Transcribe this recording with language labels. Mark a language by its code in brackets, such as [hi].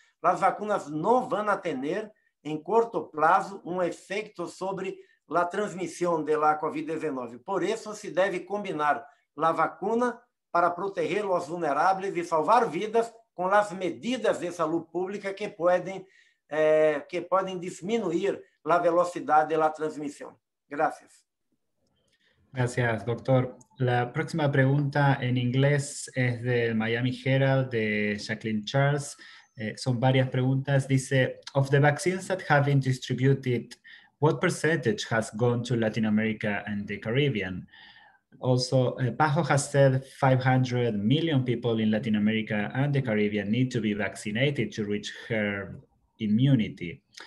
[pt] As vacinas não vão ter, em curto prazo, um efeito sobre a transmissão da COVID-19. Por isso, se deve combinar a vacina para proteger os vulneráveis e salvar vidas com as medidas de saúde pública que podem diminuir a velocidade da transmissão. [es] Gracias. Gracias, doctor. La próxima pregunta en inglés es del Miami Herald, de Jacqueline Charles. Son varias preguntas. Dice, [en] of the vaccines that have been distributed, what percentage has gone to Latin America and the Caribbean? Also, PAHO has said 500 million people in Latin America and the Caribbean need to be vaccinated to reach herd immunity.